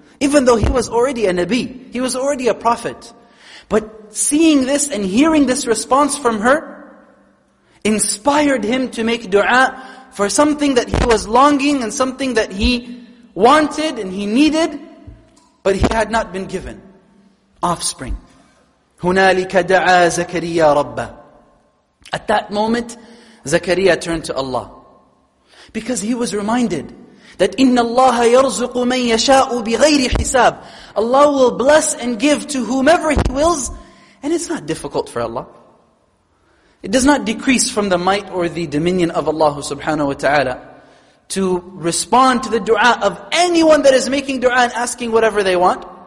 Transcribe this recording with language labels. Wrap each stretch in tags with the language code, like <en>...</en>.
<en>Even though he was already a Nabi, he was already a prophet. But seeing this and hearing this response from her inspired him to make dua for something that he was longing and something that he wanted and he needed, but he had not been given. Offspring.</en> <ar>هُنَالِكَ دَعَى زَكَرِيَّا رَبَّهُ.</ar> <en>At that moment, Zakariya turned to Allah. Because he was reminded that</en> <ar>إِنَّ اللَّهَ يَرْزُقُ مَنْ يَشَاءُ بِغَيْرِ حِسَابٍ.</ar> <en>Allah will bless and give to whomever He wills, and it's not difficult for Allah. It does not decrease from the might or the dominion of Allah subhanahu wa ta'ala to respond to the dua of anyone that is making dua and asking whatever they want.</en>